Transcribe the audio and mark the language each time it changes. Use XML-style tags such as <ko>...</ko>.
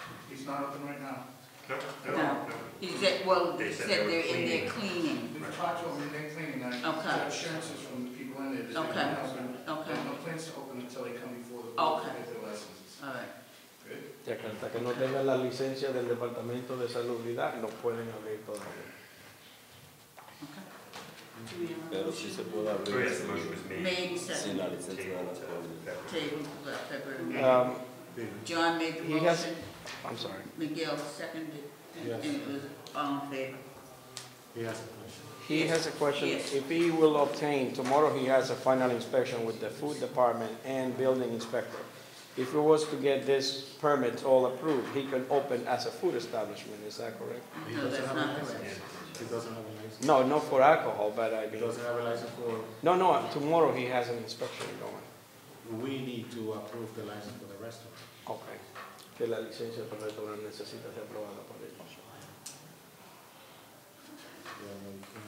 <en>He's not open right now. No. He said, well, they said they're cleaning. We talked to them and they're cleaning. Okay. The assurances from the people in there. Okay. Okay. No plans to open until they come before the board to get their licenses. All right. Good.</en> <es>Yeah, hasta que no tengan la licencia del Departamento de Salubridad, no pueden abrir todavía. Pero si se puede abrir sin la licencia de las</es> <en>John made the motion. Has, I'm sorry. Miguel seconded. Yes. And it was all in favor. He has a question. He has a question. Yes. If he will obtain, tomorrow he has a final inspection with the food department and building inspector. If he was to get this permit all approved, he could open as a food establishment. Is that correct? No, that's not correct. Yeah. He doesn't have a license. No, not for alcohol, but I mean. He doesn't have a license for. No, tomorrow he has an inspection going. We need to approve the license for the restaurant. Okay.</en> <es>Que la licencia para el restaurante necesita ser aprobada por el consejo.</es>